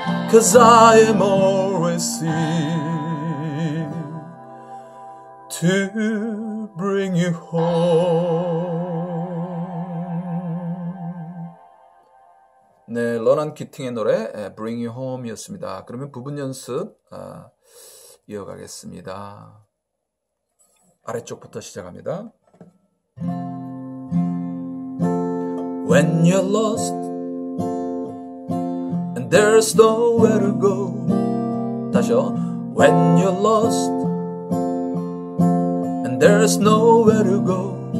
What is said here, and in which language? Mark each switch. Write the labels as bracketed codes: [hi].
[en] 'Cause I am always here to bring you home. [ko] 네, 러난 키팅의 노래 Bring You Home이었습니다. 그러면 부분 연습 이어가겠습니다. 아래쪽부터 시작합니다. [en] When you're lost and there's nowhere to go. [ko] 다시요. [en] When you're lost, there's nowhere to go.